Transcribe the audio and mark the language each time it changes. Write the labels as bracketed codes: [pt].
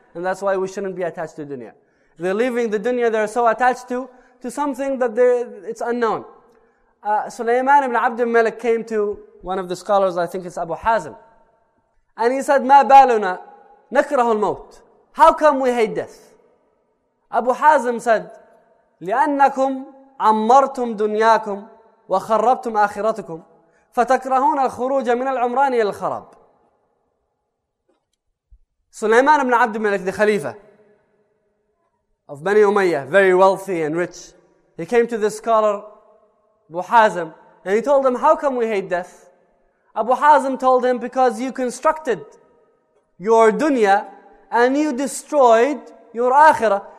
[en] And that's why we shouldn't be attached to dunya. They're leaving the dunya they're so attached to something that it's unknown. Sulaiman ibn Abd al-Malik came to one of the scholars, I think it's Abu Hazm, and he said, [ar] "Ma baluna nakrahu al-maut? [en] How come we hate death?" Abu Hazm said, [ar] "لأنكم عمرتم دنياكم وخربتم آخرتكم فتكرهون الخروج من العمران إلى الخراب." [en] Sulaiman ibn Abd al-Malik, the Khalifa of Bani Umayyah, very wealthy and rich, he came to the scholar Abu Hazm and he told him, "How come we hate death?" Abu Hazm told him, "Because you constructed your dunya and you destroyed your akhirah.